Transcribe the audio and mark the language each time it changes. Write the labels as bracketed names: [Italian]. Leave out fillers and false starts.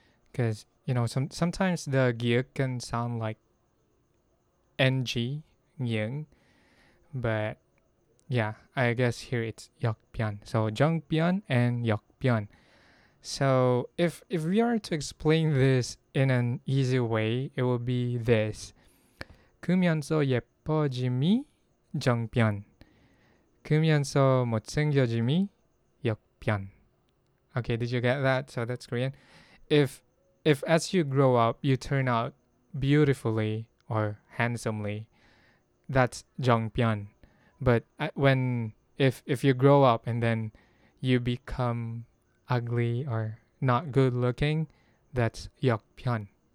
[English] Because, you know, sometimes the 기역 can sound like NG, 영. But yeah, I guess here it's 역변. So 정변 and 역변. So if we are to explain this in an easy way, it will be this. [Korean] 크면서 예뻐짐이 정변. 크면서 못생겨짐이 역변. [English] Okay, did you get that? So that's Korean. If as you grow up, you turn out beautifully or handsomely, that's 정변. But if you grow up and then you become ugly or not good looking, that's 역변.